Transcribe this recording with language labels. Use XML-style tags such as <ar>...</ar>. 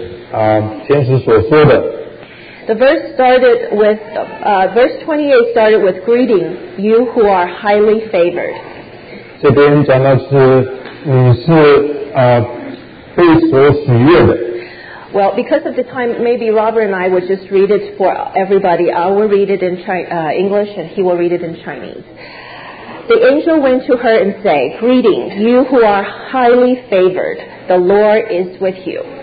<en>The verse started with verse 28 started with greeting, you who are highly favored.</en> <zh>这边讲的是你是被所喜悦的。</zh> <en>Well, because of the time, maybe Robert and I would just read it for everybody. I will read it in English and he will read it in Chinese. The angel went to her and said, "Greeting, you who are highly favored. The Lord is with you."</en>